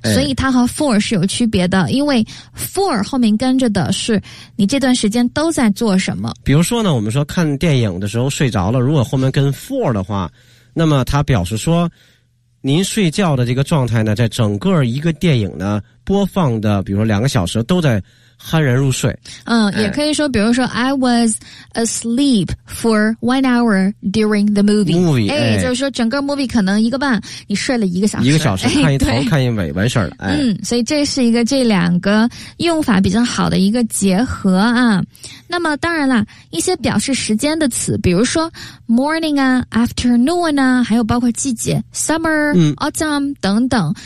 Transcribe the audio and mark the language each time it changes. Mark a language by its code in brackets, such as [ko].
[zh] 所以它和 for 是有区别的，因为 for 后面跟着的是你这段时间都在做什么。比如说呢，我们说看电影的时候睡着了，如果后面跟 for 的话，那么它表示说您睡觉的这个状态呢，在整个一个电影呢播放的，比如说两个小时都在酣然入睡。也可以说，比如说 [en] I was asleep for 1 hour during the movie。 [zh] 就是说整个 movie 可能一个半，你睡了一个小时。一个小时看一头看一尾完事儿了。所以这是一个这两个用法比较好的一个结合啊。那么当然啦，一些表示时间的词，比如说 morning 啊 ，afternoon 啊，还有包括季节 summer、autumn 等等。